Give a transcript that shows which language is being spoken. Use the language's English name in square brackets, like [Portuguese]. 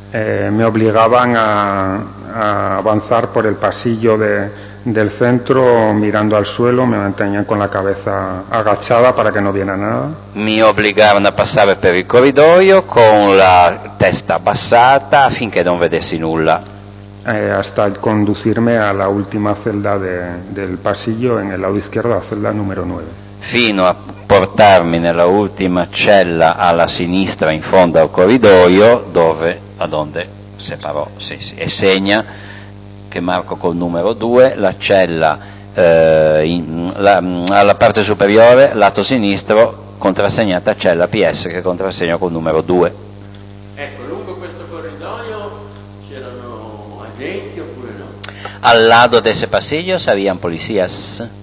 [Spanish] Me obligaban a avanzar por el pasillo del centro mirando al suelo, me mantenían con la cabeza agachada para que no viera nada. Mi obligaban a pasar por el [Italian] corridoio con la testa abbassata affinché non vedessi nulla. [Spanish] Hasta conducirme a la última celda del pasillo en el lado izquierdo, la celda número 9. [Italian] Fino a portarmi nella ultima cella alla sinistra in fondo al corridoio, dove separò, sì, e segna che marco col numero 2 la cella alla parte superiore, lato sinistro, contrassegnata cella PS che contrassegno col numero 2. Ecco, lungo questo corridoio c'erano agenti oppure no? [Spanish] Al lado de ese pasillo sabían policías.